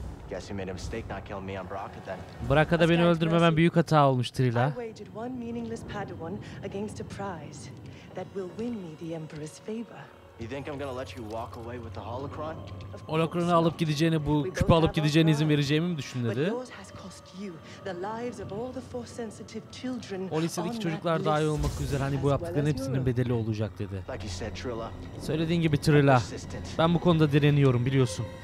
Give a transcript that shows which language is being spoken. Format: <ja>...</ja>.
<en>Guess you made a mistake not killing me on Braca then.</en> <tr>Braca'da beni öldürmemen büyük hata olmuş Trilla.</tr> <en>I waged one meaningless Padawan against a prize that will win me the Emperor's favor. You think I'm gonna let you walk away with the holocron?</en> <tr>Holocron'u alıp gideceğini, bu küpü alıp gideceğini izin vereceğimi mi düşündü dedi.</tr> <en>But yours has cost you the lives of all the force sensitive children.</en> <tr>O lisedeki çocuklar dahi olmak üzere, hani bu yaptıkların hepsinin bedeli olacak dedi. Söylediğin gibi Trilla, ben bu konuda direniyorum biliyorsun.</tr>